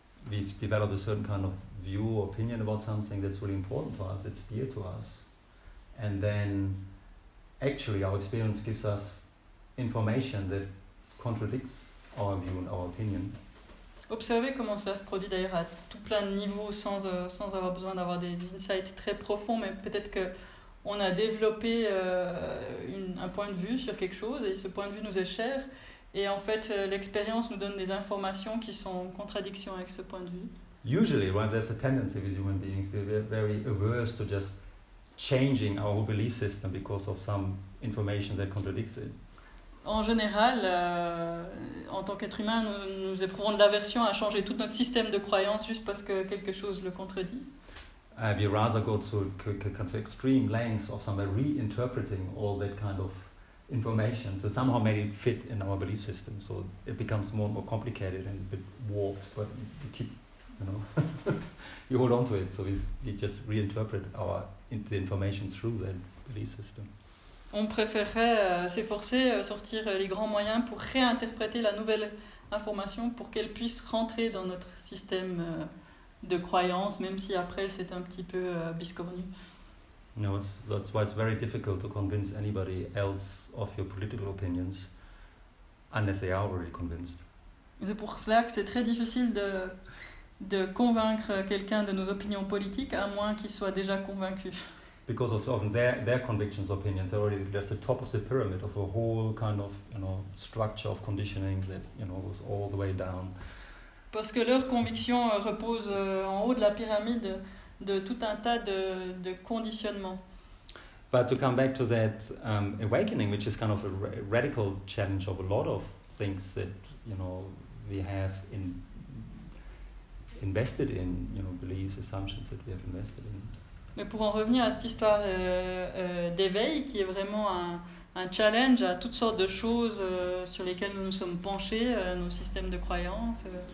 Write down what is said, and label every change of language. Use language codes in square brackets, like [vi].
[en] We've developed a certain kind of view or opinion about something that's really important to us, it's dear to us, and then actually our experience gives us information that contradicts our view and our opinion. [fr] Observez comment cela se produit d'ailleurs à tout plein de niveaux sans avoir besoin d'avoir des insights très profonds, mais peut-être que on a développé un point de vue sur quelque chose et ce point de vue nous est cher et en fait l'expérience nous donne des informations qui sont en contradiction avec ce point de vue. [en] Usually, when there's a tendency with human beings, we're very averse to just changing our whole belief system because of some information that contradicts it. [fr] En général, en tant qu'être humain, nous éprouvons de l'aversion à changer tout notre système de croyance juste parce que quelque chose le contredit. [en] We rather go to kind of extreme lengths of somehow reinterpreting all that kind of information to somehow make it fit in our belief system. So it becomes more and more complicated and a bit warped, but you keep, you know, you hold on to it. So we just reinterpret the information through that belief system. [fr] On préférerait s'efforcer sortir les grands moyens pour réinterpréter la nouvelle information pour qu'elle puisse rentrer dans notre système de croyance, même si après c'est un petit peu biscornu. [en] No, that's why it's very difficult to convince anybody else of your political opinions unless they are already convinced. [fr] C'est pour cela que c'est très difficile de convaincre quelqu'un de nos opinions politiques à moins qu'il soit déjà convaincu. [en] Because of often their convictions, opinions are already just the top of the pyramid of a whole kind of, you know, structure of conditioning that, you know, goes all the way down. [fr] Parce que leurs convictions reposent en haut de la pyramide de tout un tas de conditionnements. [en] But to come back to that awakening, which is kind of a radical challenge of a lot of things that, you know, we have invested in, you know, beliefs, assumptions that we have invested in. [fr] Mais pour en revenir à cette histoire d'éveil, qui est vraiment un challenge à toutes sortes de choses sur lesquelles nous nous sommes penchés, nos systèmes de croyances.